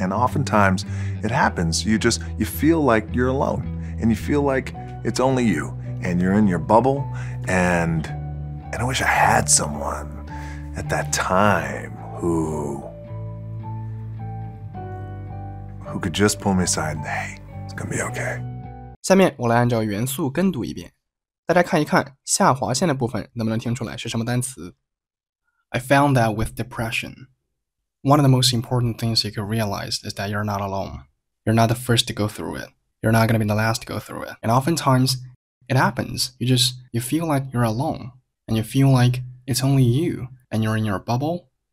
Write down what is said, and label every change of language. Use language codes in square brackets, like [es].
[en] And oftentimes it happens. You feel like you're alone and you feel like it's only you and you're in your bubble. And I wish I had someone at that time who could just pull me aside and, hey, it's gonna be okay. [zh] 下面我来按照元素跟读一遍。大家看一看下划线的部分能不能听出来是什么单词。 [en] I found that with depression, one of the most important things you could realize is that you're not alone. You're not the first to go through it. You're not going to be the last to go through it. And oftentimes, it happens. You feel like you're alone, and you feel like it's only you, and you're in your bubble.